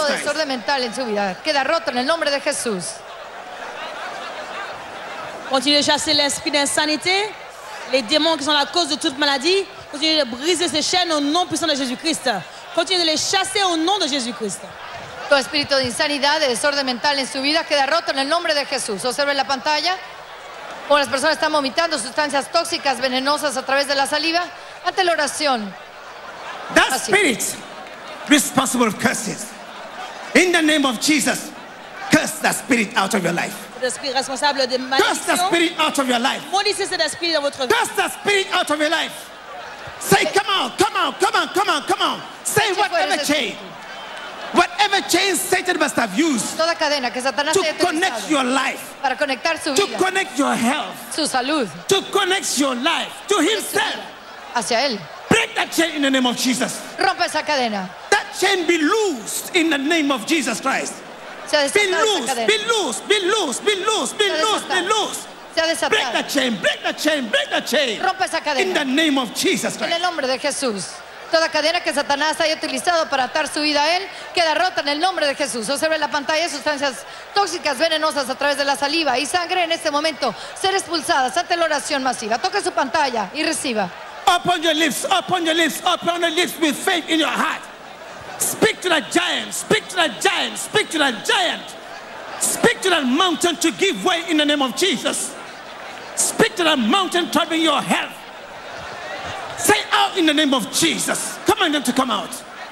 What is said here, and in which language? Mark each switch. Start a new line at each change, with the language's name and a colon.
Spanish: Christ. Todo desorden mental en su vida queda roto en el nombre de Jesús.
French: Continue de chasser l'esprit d'insanité. Les démons qui sont la cause de toute maladie, continuez de briser ces chaînes au nom puissant de Jésus-Christ. Continuez de les chasser au nom de Jésus-Christ.
Spanish: Todo espíritu de insanidad, de desorden mental en su vida queda roto en el nombre de Jesús. Observen la pantalla. Como las personas están vomitando sustancias tóxicas, venenosas a través de la saliva, ante la oración.
English: That spirit responsible of curses. In the name of Jesus, curse that spirit out of your life. Curse the spirit out of your life.
French: Maudissez cet esprit dans votre vie.
English: Curse the spirit out of your life. Say, come on, come on, come on, come on, come on. Say whatever chain. Whatever chain Satan must have used.
Spanish: Toda cadena que Satanás
English: to connect your life.
Spanish: Para conectar su vida.
English: To connect your health.
Spanish: Su salud.
English: To connect your life to himself.
Spanish: Hacia él.
English: Break that chain in the name of Jesus.
Spanish: Rompe esa cadena.
English: That chain be loosed in the name of Jesus Christ. Be loose, be loose, be loose, be loose, be loose, be loose. Break that chain, break that chain, break that chain.
Spanish: Rompe esa cadena.
English: In the name of Jesus Christ.
Spanish: En el nombre de Jesús. Toda cadena que Satanás haya utilizado para atar su vida a él queda rota en el nombre de Jesús. Observe la pantalla, sustancias tóxicas, venenosas a través de la saliva y sangre en este momento ser expulsadas ante la oración masiva. Toque su pantalla y reciba.
English: Open your lips, open your lips, open your lips with faith in your heart. Speak to that giant, speak to that giant, speak to that giant. Speak to that mountain to give way in the name of Jesus. Speak to that mountain troubling your health. Say out in the name of Jesus. Command them to come out.